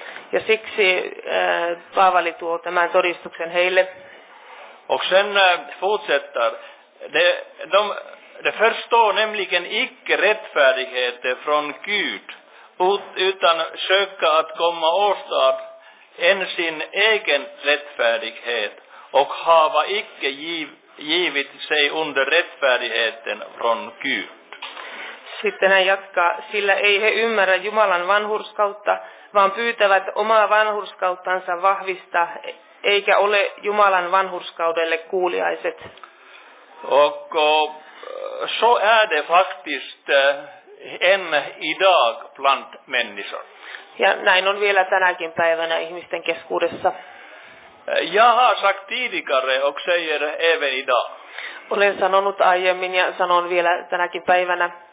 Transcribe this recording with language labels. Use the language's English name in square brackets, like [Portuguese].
[Finnish] Ja siksi Paavali tuo tämän todistuksen heille. [Swedish] Och sen fortsätter. De förstår nämligen icke rättfärdighet från Gud utan söka att komma åstad en sin egen rättfärdighet och hava icke givit sig under rättfärdigheten från Gud. [Finnish] Sitten hän jatkaa, sillä ei he ymmärrä Jumalan vanhurskautta, vaan pyytävät omaa vanhurskauttansa vahvista, eikä ole Jumalan vanhurskaudelle kuuliaiset. [Swedish] Och så är det faktiskt än idag bland människor. [Finnish] Ja näin on vielä tänäkin päivänä ihmisten keskuudessa. [Swedish] Jag har sagt tidigare och säger även idag. [Finnish] Olen sanonut aiemmin ja sanon vielä tänäkin päivänä.